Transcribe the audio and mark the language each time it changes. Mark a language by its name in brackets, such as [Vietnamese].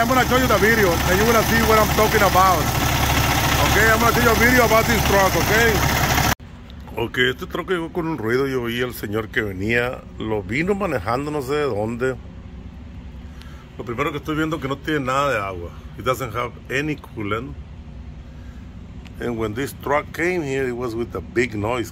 [English] I'm gonna show you the video, and you're gonna see what I'm talking about. Okay, I'm gonna show you a video about this truck. Okay. [Spanish] Ok, este truck llegó con un ruido. Yo vi al señor que venía, lo vino manejando no sé de dónde. Lo primero que estoy viendo es que no tiene nada de agua. [English] It doesn't have any coolant. And when this truck came here, it was with a big noise.